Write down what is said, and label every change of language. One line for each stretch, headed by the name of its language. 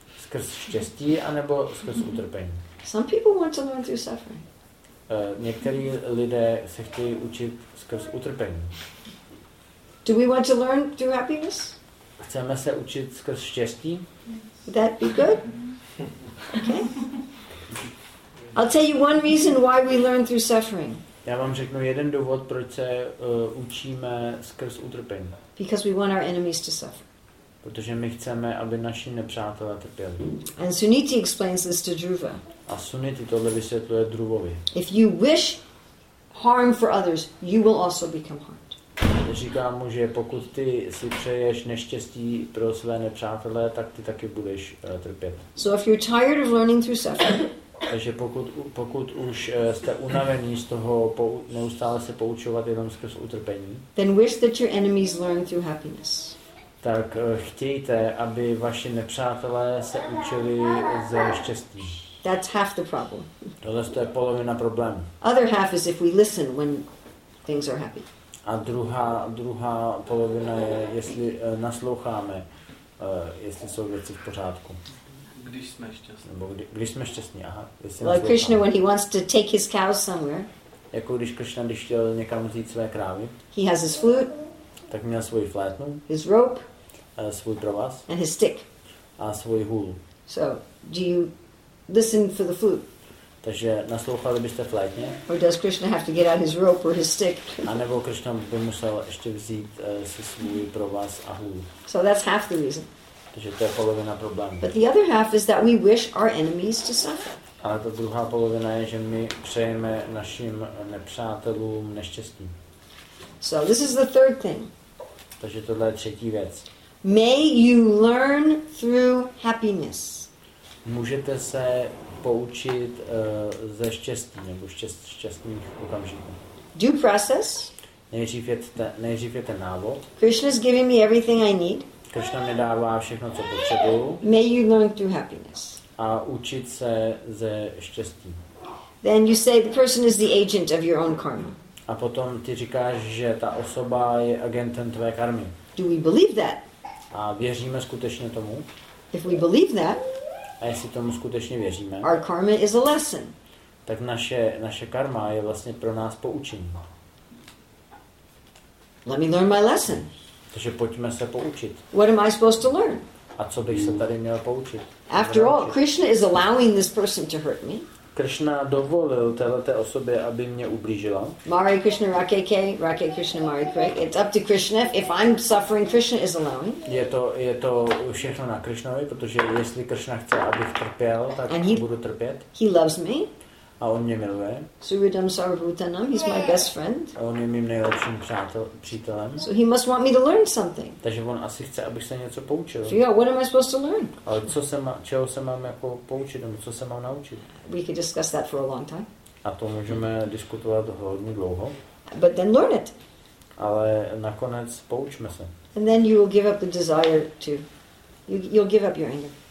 Czech: Skrz štěstí, anebo skrz utrpení.
English: Some people want to learn through suffering.
Czech: Některý lidé se chtějí učit skrz utrpení.
English: Do we want to learn through happiness?
Czech: Chceme se učit skrz štěstí?
English: Would that be good? Okay. I'll tell you one reason why we learn through suffering.
Czech: Já vám řeknu jeden důvod, proč se učíme skrz utrpení.
English: Because we want our enemies to suffer.
Czech: Protože my chceme, aby naši nepřátelé trpěli.
English: And Suniti explains this to Dhruva.
Czech: A Suniti tohle vysvětluje Dhruvovi.
English: If you wish harm for others, you will also become harmed.
Czech: Říkám mu, že pokud ty si přeješ neštěstí pro své nepřátelé, tak ty taky budeš trpět.
English: So if you're tired of learning through suffering,
Czech: takže pokud už jste unavení z toho neustále se poučovat jenom skrz utrpení,
English: then wish that your enemies learn through happiness.
Czech: Tak chtějte, aby vaši nepřátelé se učili ze štěstí.
English: That's half the problem.
Czech: Tohle je polovina problému.
English: Other half is if we listen when things are happy.
Czech: A druhá polovina je, jestli nasloucháme, jestli jsou věci v pořádku. Když jsme šťastní. Nebo když jsme šťastní, aha.
English: Like Krishna, when he wants to take his cows somewhere.
Czech: Jako když Krishna, když chtěl někam vzít své krávy.
English: He has his flute.
Czech: Tak měl svůj flétnu.
English: His rope.
Czech: Svůj provaz.
English: And his stick.
Czech: A svůj hůl.
English: So, do you listen for the flute?
Czech: Takže naslouchali byste flétně?
English: Or does Krishna have to get out his rope or his stick?
Czech: A nebo Krishna by musel ještě vzít si svůj provaz a hůl.
English: So that's half the reason.
Czech: Takže to je polovina problému.
English: But the other half is that we wish our enemies to suffer.
Czech: Ale ta druhá polovina je, že my přejeme našim nepřátelům neštěstí.
English: So this is the third thing.
Czech: Takže tohle je třetí věc.
English: May you learn through happiness.
Czech: Můžete se poučit ze štěstí nebo šťastných okamžiků.
English: Due process.
Czech: Nejdřív je ten návod.
English: Krishna is giving me everything I need.
Czech: Krishna mi dává všechno, co potřebuju.
English: May you learn through happiness.
Czech: A učit se ze štěstí.
English: Then you say the person is the agent of your own karma.
Czech: A potom ty říkáš, že ta osoba je agentem tvé karmy.
English: Do we believe that?
Czech: A věříme skutečně tomu?
English: If we believe that,
Czech: a jestli tomu skutečně věříme,
English: our karma is a lesson.
Czech: Tak naše karma je vlastně pro nás poučení.
English: Let me learn my lesson.
Czech: Takže pojďme se poučit.
English: What am I supposed to learn?
Czech: A co bych se tady měl poučit?
English: After all, Krishna is allowing this person to hurt me.
Czech: Krishna dovolil této osobě, aby mě ublížila. Mare Krishna Rake Krishna Mare Krake.
English: It's up to Krishna. If I'm suffering, Krishna is allowing.
Czech: Je to všechno na Krishnovi, protože jestli Krishna chce, abych trpěl, tak budu trpět.
English: He loves me.
Czech: A on mě miluje. Suridam Sarvutanam,
English: he's my best friend.
Czech: A on je mým nejlepším přítelem.
English: So he must want me to learn something.
Czech: Takže on asi chce, abych se něco poučil.
English: So yeah, what am I supposed to learn?
Czech: Ale čeho se mám jako poučit, nebo co se mám naučit?
English: We could discuss that for a long time.
Czech: A to můžeme diskutovat hodně dlouho.
English: But then learn it.
Czech: Ale nakonec poučme se.
English: And then you will give up the desire to, you'll give up your anger.